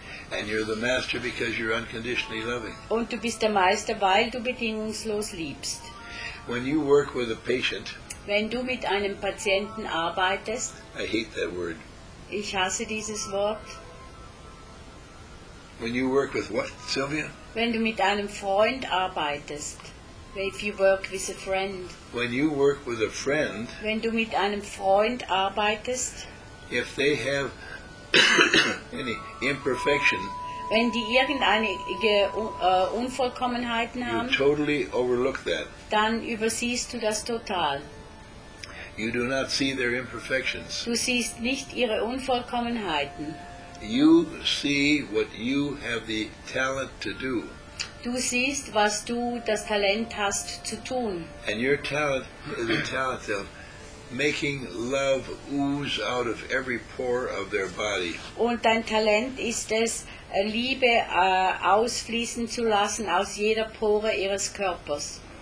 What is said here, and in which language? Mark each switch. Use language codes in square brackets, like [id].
[en] And you're the master because you're unconditionally loving. [de] Und du bist der Meister, weil du bedingungslos liebst. [en] When you work with a patient, [de] wenn du mit einem Patienten arbeitest, [en] I hate that word. [de] Ich hasse dieses Wort. [en] When you work with what, Sylvia? [de] Wenn du mit einem Freund arbeitest, [en] if you work with a friend, when you work with a friend, [de] wenn du mit einem Freund arbeitest, [en] if they have any imperfection, [de] wenn die irgendeine Unvollkommenheiten haben, [en] you totally overlook that. [de] Dann übersiehst du das total. [en] You do not see their imperfections. [de] Du siehst nicht ihre Unvollkommenheiten. [en] You see what you have the talent to do. [de] Du siehst, was du das Talent hast zu tun. [en] And your talent is the talent of making love ooze out of every pore of their body. [de] Und dein Talent ist es, Liebe ausfließen zu lassen aus jeder Pore ihres Körpers.